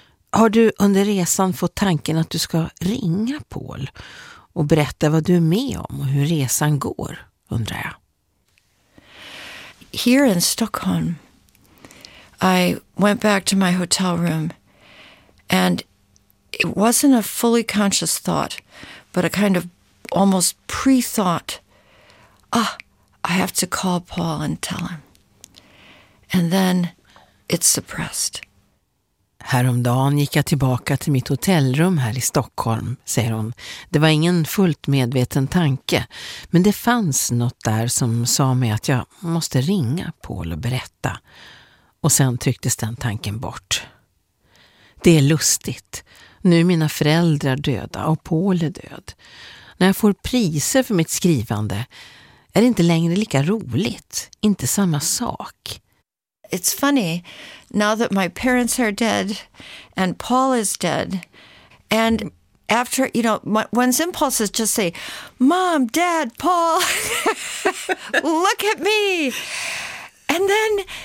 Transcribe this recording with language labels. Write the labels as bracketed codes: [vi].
[sv] Har du under resan fått tanken att du ska ringa Paul och berätta vad du är med om och hur resan går, undrar jag. [en] Here in Stockholm, I went back to my hotel room, and it wasn't a fully conscious thought, but a kind of almost pre-thought, ah, I have to call Paul and tell him. And then it's suppressed. [sv] Häromdagen gick jag tillbaka till mitt hotellrum här i Stockholm, säger hon. Det var ingen fullt medveten tanke, men det fanns något där som sa mig att jag måste ringa Paul och berätta. Och sen trycktes den tanken bort. Det är lustigt. Nu är mina föräldrar döda och Paul är död. När jag får priser för mitt skrivande är det inte längre lika roligt. Inte samma sak. [en] It's funny. Now that my parents are dead and Paul is dead. And after, you know, one's impulses just say, Mom, Dad, Paul, look at me. And then...